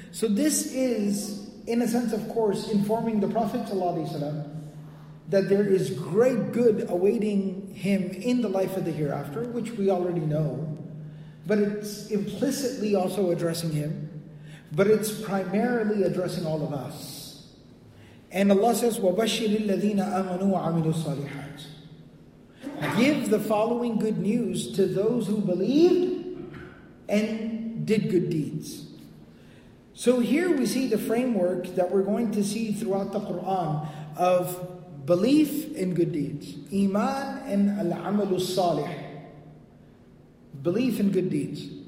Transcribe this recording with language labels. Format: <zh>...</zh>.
<en>So this is, in a sense, of course, informing the Prophet ﷺ that there is great good awaiting him in the life of the hereafter, which we already know. But it's implicitly also addressing him. But it's primarily addressing all of us. And Allah says,</en> <ar>وَبَشِّرِ الَّذِينَ آمَنُوا وَعَمِلُوا الصَّالِحَاتِ.</ar> <en>Give the following good news to those who believed and did good deeds. So here we see the framework that we're going to see throughout the Quran of belief and good deeds. Iman and al-amalu salih. Belief and good deeds.</en>